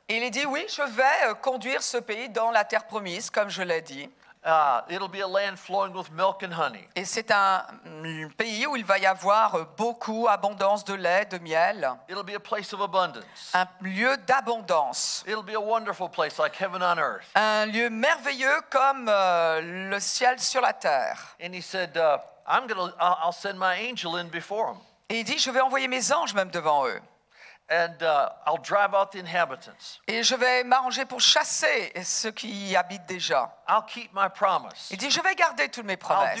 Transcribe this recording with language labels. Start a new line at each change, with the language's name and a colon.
French: Et il dit, oui, je vais conduire ce pays dans la terre promise, comme je l'ai dit.
English: It'll be a land flowing with milk and honey.
French: Et c'est un pays où il va y avoir beaucoup abondance de lait, de miel.
English: It'll be a place of abundance.
French: Un lieu d'abondance.
English: It'll be a wonderful place like heaven on earth.
French: Un lieu merveilleux comme le ciel sur la terre.
English: And he said, I'll send my angel in before him.
French: Et il dit, je vais envoyer mes anges même devant eux.
English: And I'll drive out the inhabitants.
French: Et je vais m'arranger pour chasser ceux qui y habitent déjà.
English: I'll keep my promise.
French: Il dit, je vais garder toutes mes promesses.